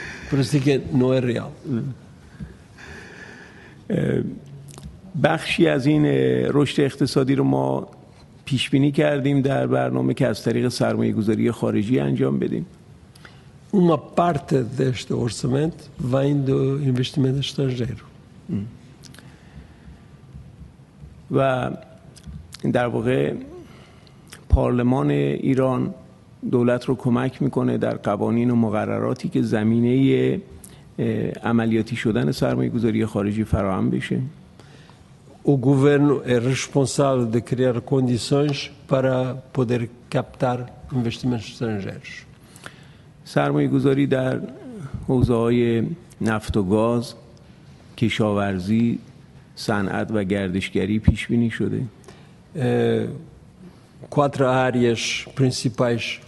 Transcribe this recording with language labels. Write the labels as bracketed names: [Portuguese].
[Persian] پرستی که نو ریال. بخشی از این رشد اقتصادی رو ما پیش بینی کردیم در برنامه که از طریق سرمایه گذاری خارجی انجام بدیم. [Portuguese] Uma parte deste orçamento vem do investimento estrangeiro. [Persian] و در واقع پارلمان ایران دولت رو کمک میکنه در قوانین و مقرراتی که زمینه عملیاتی شدن سرمایه گذاری خارجی فراهم بشه. [Portuguese] O governo é responsável de criar condições para poder captar investimentos estrangeiros. [Persian] سرمایه گذاری در حوزه‌های نفت و گاز، کشاورزی، صنعت و گردشگری پیش بینی شده. [Portuguese] Quatro áreas principais